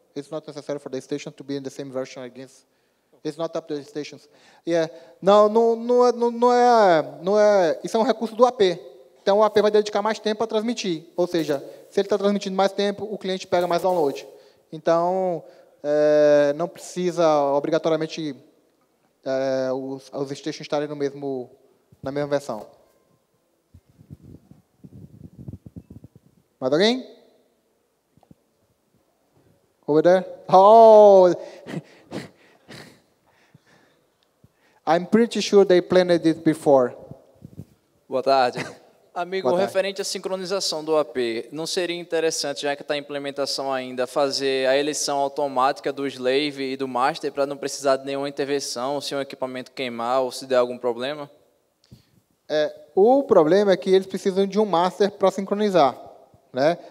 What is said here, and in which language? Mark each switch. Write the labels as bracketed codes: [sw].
[en] It's not necessary for the station to be in the same version, I guess. It's not up to the stations. [pt] Yeah. Não é. Isso é um recurso do AP. Então o AP vai dedicar mais tempo a transmitir. Ou seja, se ele está transmitindo mais tempo, o cliente pega mais download. Então, não precisa obrigatoriamente os stations estarem na mesma versão. Mais alguém? [en] Over there? Oh! I'm pretty sure they planned it before. [pt] Boa tarde. Amigo, boa referente tarde. À sincronização do AP, não seria interessante, já que está em implementação ainda, fazer a eleição automática do slave e do master para não precisar de nenhuma intervenção, se um equipamento queimar ou se der algum problema? O problema é que eles precisam de um master para sincronizar. Né?